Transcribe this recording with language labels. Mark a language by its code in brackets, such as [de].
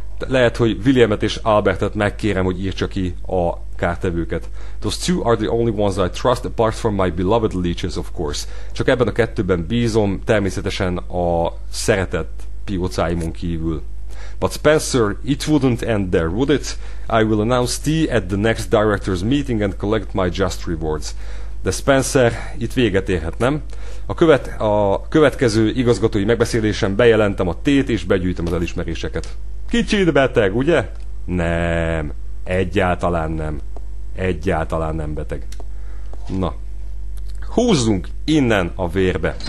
[hu] Lehet, hogy Williamet és Albertet megkérem, hogy írtsa ki a kártevőket. [en] Those two are the only ones I trust, apart from my beloved leeches, of course. [hu] Csak ebben a kettőben bízom, természetesen a szeretett piócáimon kívül. [en] But Spencer, it wouldn't end there, would it? I will announce tea at the next director's meeting and collect my just rewards. [hu] De Spencer, itt véget érhet, nem? A következő igazgatói megbeszélésen bejelentem a tét és begyűjtöm az elismeréseket. Kicsit beteg, ugye? Nem. Egyáltalán nem. Egyáltalán nem beteg. Na. Húzzunk innen a vérbe.